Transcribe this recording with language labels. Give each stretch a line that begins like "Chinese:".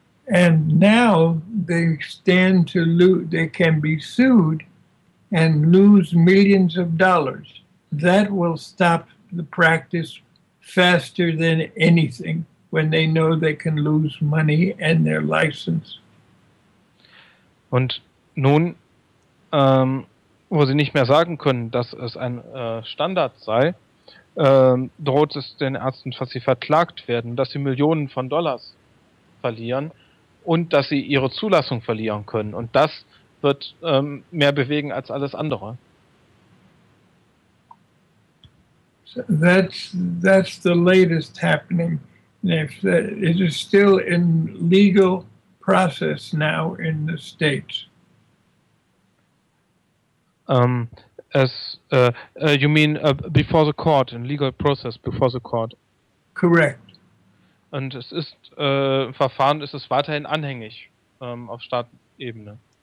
English: And now they stand to lose, they can be sued and lose millions of dollars. That will stop the practice faster than anything, when they know they can lose money and their license.
German: Und nun, wo sie nicht mehr sagen können, dass es ein Standard sei, droht es den Ärzten, dass sie verklagt werden, dass sie Millionen von Dollars verlieren und dass sie ihre Zulassung verlieren können. Und das wird mehr bewegen als alles andere.
English: That's the latest happening. It is still in legal process now in the States. You mean before the court, in legal process before the court? Correct.
German: Und es ist Verfahren, ist es weiterhin anhängig auf Staatsebene.